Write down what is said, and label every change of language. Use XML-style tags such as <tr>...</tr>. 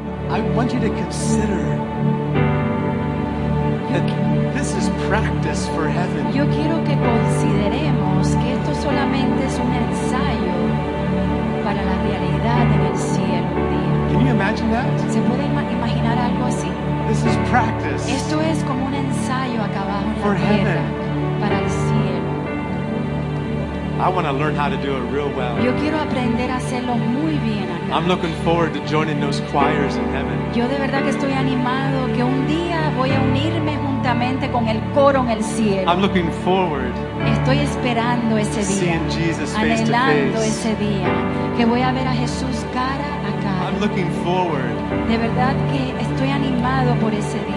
<en>I want you to consider that this is practice for heaven.</en> <es>Yo quiero que consideremos que esto solamente es un ensayo para la realidad en el cielo un día.</es> <en>Can you imagine that?</en> <es>¿Se puede imaginar algo así?</es> <en>This is practice.</en> <es>Esto es como un ensayo acá abajo en la tierra para el cielo.</es> <en>I want to learn how to do it real well.</en> <es>Yo quiero aprender a hacerlo muy bien acá.</es> <en>I'm looking forward to joining those choirs in heaven.</en> <es>Yo de verdad que estoy animado que un día voy a unirme juntamente con el coro en el cielo.</es> <en>I'm looking forward.</en> <es>Estoy esperando ese día.</es> <en>Seeing Jesus face to face.</en> <es>Anhelando ese día que voy a ver a Jesús cara a cara.</es> <en>I'm looking forward.</en> <es>De verdad que estoy animado por ese día.</es>